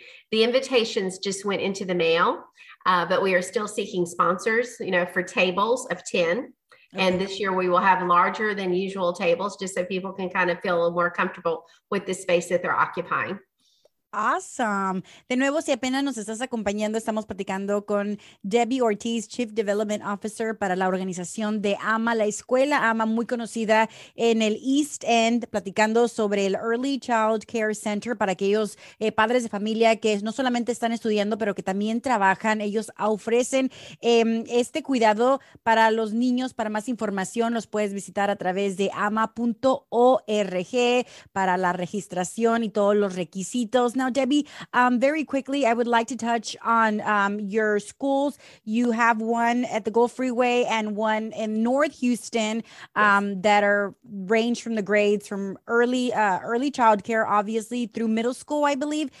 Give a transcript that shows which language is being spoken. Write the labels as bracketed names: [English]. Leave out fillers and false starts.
[English] The invitations just went into the mail, but we are still seeking sponsors, you know, for tables of 10. And this year we will have larger than usual tables, just so people can kind of feel a little more comfortable with the space that they're occupying. Awesome. [Spanish] De nuevo, si apenas nos estás acompañando, estamos platicando con Debbie Ortiz, Chief Development Officer para la organización de AMA, la escuela AMA, muy conocida en el East End, platicando sobre el Early Child Care Center para aquellos padres de familia que no solamente están estudiando, pero que también trabajan. Ellos ofrecen este cuidado para los niños. Para más información, los puedes visitar a través de ama.org para la registración y todos los requisitos. [English] Now, Debbie, very quickly, I would like to touch on your schools. You have one at the Gulf Freeway and one in North Houston that are range from the grades from early child care, obviously, through middle school, I believe.